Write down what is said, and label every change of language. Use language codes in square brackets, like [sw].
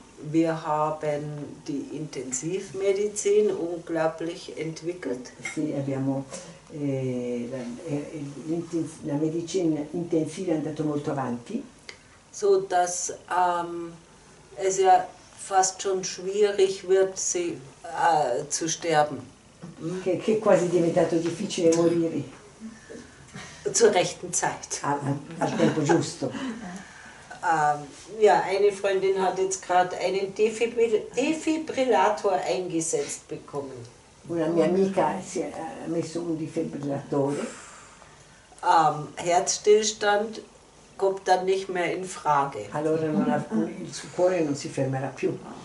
[de] Wir haben die Intensivmedizin unglaublich entwickelt. [it] Sì, abbiamo la medicina intensiva è andata molto avanti. [de] So dass es ja fast schon schwierig wird, sie zu sterben. [it] Che quasi diventato difficile morire. [de] Zur rechten Zeit. [it] Al tempo giusto. [de] Ja, eine Freundin hat jetzt gerade einen Defibrillator eingesetzt bekommen. [it] Una mia amica si è messo un defibrillatore. [de] Herzstillstand kommt dann nicht mehr in Frage. [it] Allora non ha più il suo cuore, non si fermerà più.